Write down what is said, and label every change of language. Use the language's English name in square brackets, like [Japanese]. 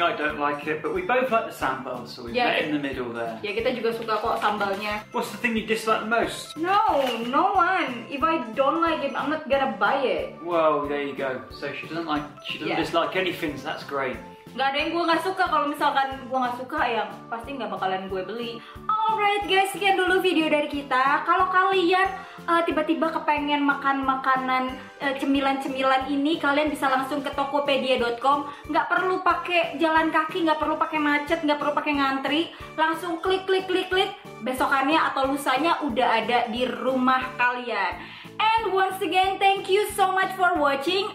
[English] I don't like it, but we both like the sambal, so we met in the middle there. [Indonesian] Yeah, kita juga suka kok sambalnya. [English] What's the thing you dislike the most? No one. If I don't like it, I'm not gonna buy it. Well, there you go. So she doesn't dislike anything. So that's great. [Indonesian] Gak ada yang gue gak suka. Kalau misalkan gue gak suka, ya pasti gak bakalan gue beli. Alright guys, sekian dulu video dari kita. Kalau kalian tiba-tiba kepengen makan makanan cemilan-cemilan ini, kalian bisa langsung ke tokopedia.com. Gak perlu pakai jalan kaki, gak perlu pakai macet, gak perlu pakai ngantri. Langsung klik. Besokannya atau lusanya udah ada di rumah kalian. [English] And once again, thank you so much for watching.